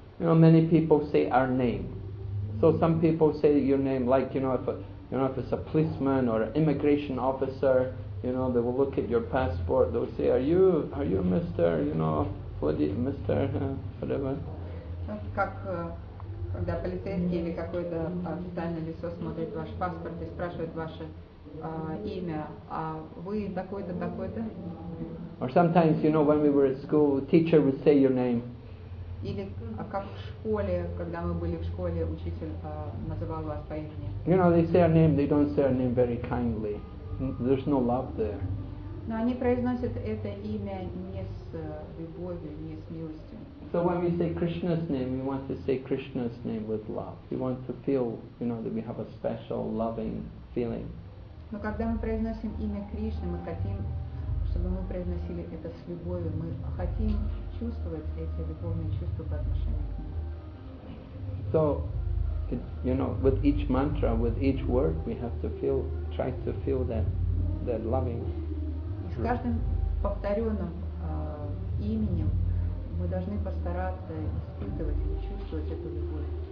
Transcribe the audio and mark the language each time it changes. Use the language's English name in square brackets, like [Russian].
[English] You know, many people say our name. So some people say your name, like, you know, if it's a policeman or an immigration officer, you know, they will look at your passport, they'll say, are you Mr., you know, Mr., whatever. [Russian] Как когда полицейский или какое-то официальное лицо смотрит ваш паспорт и спрашивает ваше имя, а вы такой-то, такой-то? [English] Or sometimes, you know, when we were at school, the teacher would say your name. [Russian] Или как в школе, когда мы были в школе, учитель называл вас по имени. [English] You know, they say our name, they don't say our name very kindly. There's no love there. [Russian] Но они произносят это имя не с любовью, не с милостью. [English] So when we say Krishna's name, we want to say Krishna's name with love. We want to feel, you know, that we have a special loving feeling. [Russian] Но когда мы произносим имя Кришны, мы хотим, чтобы мы произносили это с любовью. Мы хотим чувствовать эти любовные чувства по отношению к нему. [English] So, you know, with each mantra, with each word, we have to feel, try to feel that loving. [Russian] И с каждым повторенным именем мы должны постараться испытывать или чувствовать эту любовь.